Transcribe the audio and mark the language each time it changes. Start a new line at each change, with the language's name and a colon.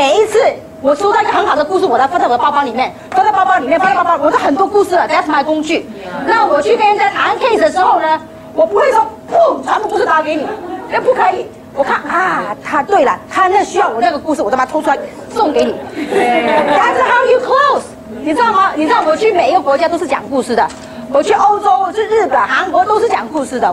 Chinese: 每一次我收到一个很好的故事，我来放在我的包包里面，放在包包里面，我都很多故事了，
English: that's my
Chinese: 工具。那我去跟人家谈 case 的时候呢，我不会说不全部故事打给你，那不可以，我看啊，他对了，他那需要我那个故事，我都把它偷出来送给你。
English: That's how you close， 你知道吗？
Chinese: 你知道我去每一个国家都是讲故事的，我去欧洲，我去日本、韩国都是讲故事的。